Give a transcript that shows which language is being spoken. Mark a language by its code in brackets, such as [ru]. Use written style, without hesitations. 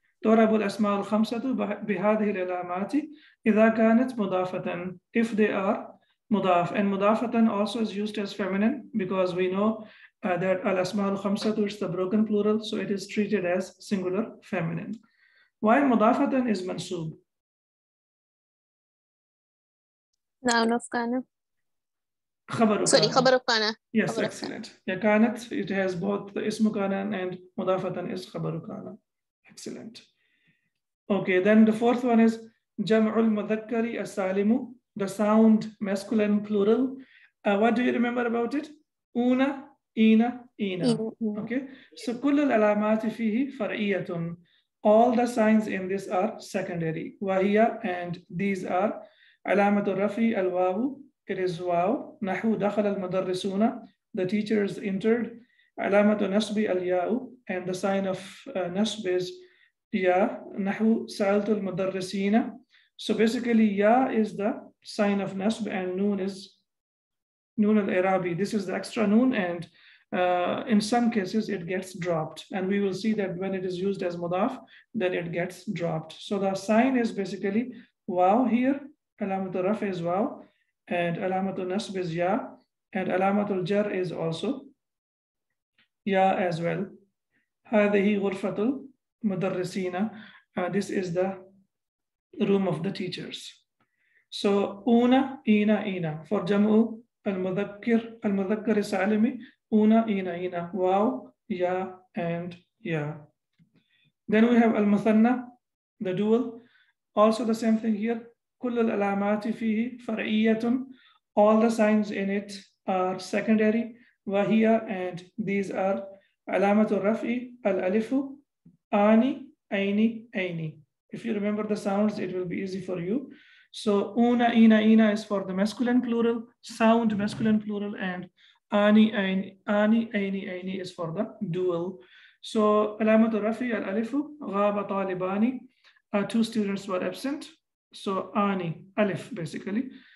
[ar] تُعرب الأسماء الخمسة بهذه العلامات إذا كانت مضافة. [en] If they are مضاف. And مضافة also is used as feminine because we know that الأسماء الخمسة is the broken plural, so it is treated as singular feminine. Why مضافة is منصوب؟ [ar] نعم كان. خبر سوري خبر كان. [en] Yes, excellent. Yeah, كانت, it has both the اسم كان and مضافة is خبر كان. Excellent. Okay, then the fourth one is جمع المذكر السالم, the sound masculine plural. What do you remember about it? أونا, إينا, إينا. Okay, so [ar] كل العلامات فيه فرعية. [en] All the signs in this are secondary. وهي and these are [ar] علامة الرفع الواو, [en] it is واو. [ar] نحو دخل المدرسون, [en] the teachers entered. [ar] علامة نصب الياء, [en] and the sign of نصب is ya. [ar] نحو سألت المدرسين. [en] So basically ya is the sign of nasb and noon is noon al-irabi. This is the extra noon, and in some cases it gets dropped, and we will see that when it is used as mudaf then it gets dropped. So the sign is basically waw here, alamat al-raf is waw, and alamat al-nasb is ya, and alamat al-jar is also ya as well. [ar] هذه غرفة المدرسين. [en] This is the room of the teachers. So una, ina, ina. For jamu al-mudhakkir al-salimi, una, ina, ina. Wow, ya, and ya. Then we have al-muthanna, the dual. Also the same thing here. [ar] كل العلامات فيه فرعية. [en] All the signs in it are secondary. [ar] وهي [en] and these are [ar] علامة الرفع الألف آني أيني أيني. [en] If you remember the sounds, it will be easy for you. So أونا إينا إينا is for the masculine plural, sound masculine plural, and آني أيني أيني أيني is for the dual. [ar] So علامة الرفع الألف غاب طالباني. [en] Two students were absent. So آني ألف basically.